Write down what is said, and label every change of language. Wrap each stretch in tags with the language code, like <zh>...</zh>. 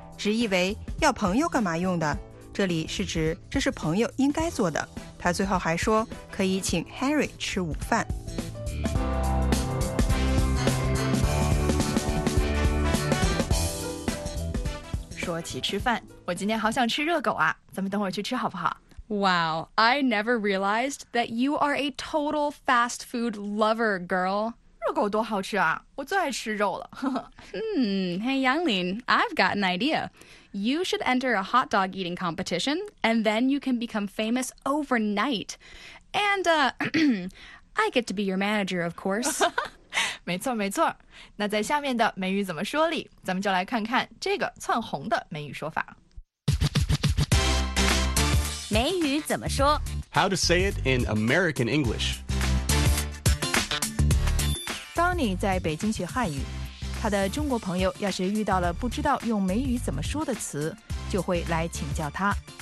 <zh>直译为要朋友干嘛用的，这里是指这是朋友应该做的。他最后还说可以请 Harry 吃午饭。说起吃饭，我今天好想吃热狗啊，咱们等会儿去吃好不好？</zh> <en>Wow, I never realized that you are a total fast food lover, girl.</en> <zh>热狗多好吃啊，我最爱吃肉了。</zh> <en>Hey, Yanglin, I've got an idea. You should enter a hot dog eating competition, and then you can become famous overnight. And, I get to be your manager, of course.</en> <zh>没错没错。那在下面的美语怎么说里，咱们就来看看这个窜红的美语说法。美语怎么说？</zh> <en>How to say it in American English.</en> <zh>当你在北京学汉语，他的中国朋友要是遇到了不知道用美语怎么说的词，就会来请教他。</zh>